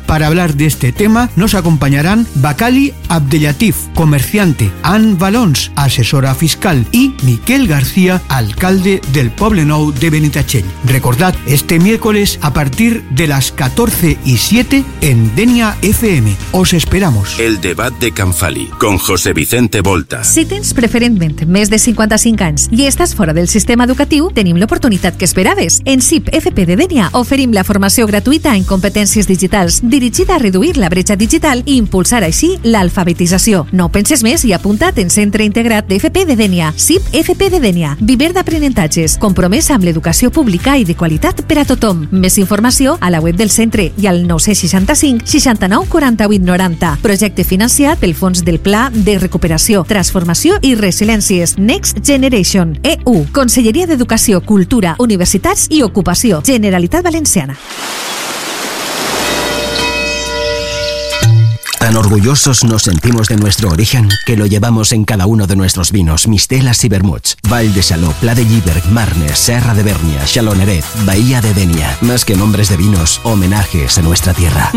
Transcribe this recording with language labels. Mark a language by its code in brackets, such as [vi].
[es] Para hablar de este tema nos acompañarán Bacali Abdellatif, comerciante, Ann Valons, asesora fiscal, y Miquel García, alcalde del Poblenou de Benitatxell. Recordad, este miércoles a partir de las 14:07 en Denia FM. Os esperamos. El debate de Canfali con José Vicente Volta. [ca] Si tens preferentment més de 55 anys i estàs fora del sistema educatiu, tenim l'oportunitat que esperaves. En SIP FP de Denia oferim la formació gratuïta en competències digitals dirigida a reduir la bretxa digital i impulsar així l'alfabetització. No penses més i apunta't en Centre Integrat d'FP de Dénia, SIP FP de Dénia, viver d'aprenentatges, compromès amb l'educació pública i de qualitat per a tothom. Més informació a la web del centre i al 965-69-48-90. Projecte financiat pel Fons del Pla de Recuperació, Transformació i Resiliències, Next Generation, EU, Conselleria d'Educació, Cultura, Universitats i Ocupació, Generalitat Valenciana. [es] Tan orgullosos nos sentimos de nuestro origen que lo llevamos en cada uno de nuestros vinos, mistelas y vermuts. Val de Xaló, Pla de Llíber, Marne, Serra de Bèrnia, Xaloneret, Bahía de Denia. Más que nombres de vinos, homenajes a nuestra tierra.